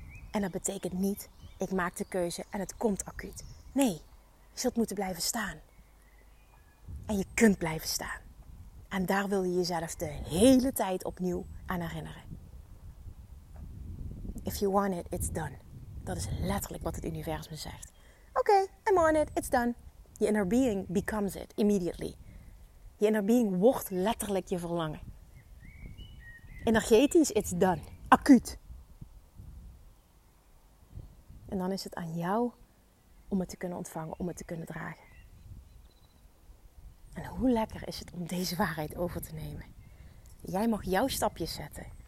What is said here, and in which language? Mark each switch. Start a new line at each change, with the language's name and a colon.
Dutch: En dat betekent niet, ik maak de keuze en het komt acuut. Nee, je zult moeten blijven staan. En je kunt blijven staan. En daar wil je jezelf de hele tijd opnieuw aan herinneren.
English: If you want it, it's done.
Dutch: Dat is letterlijk wat het universum zegt.
English: Oké, okay, I'm on it, it's done. Your inner being becomes it immediately.
Dutch: Je inner being wordt letterlijk je verlangen. Energetisch,
English: it's done.
Dutch: Acuut. En dan is het aan jou om het te kunnen ontvangen, om het te kunnen dragen. En hoe lekker is het om deze waarheid over te nemen? Jij mag jouw stapjes zetten.